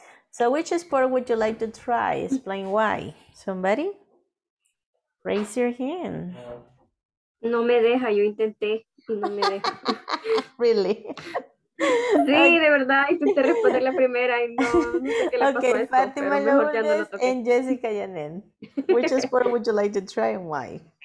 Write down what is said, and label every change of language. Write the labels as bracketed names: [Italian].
[English] So which sport would you like to try? Explain why. Somebody? Raise your hand. [Spanish] No me deja, yo intenté y no me deja. [English] Really? [Spanish] Sí, okay. De verdad, intenté responder la primera y no sé qué le pasó. [English] Okay, Fátima Lourdes and Jessica Yanen. Which sport would you like to try and why?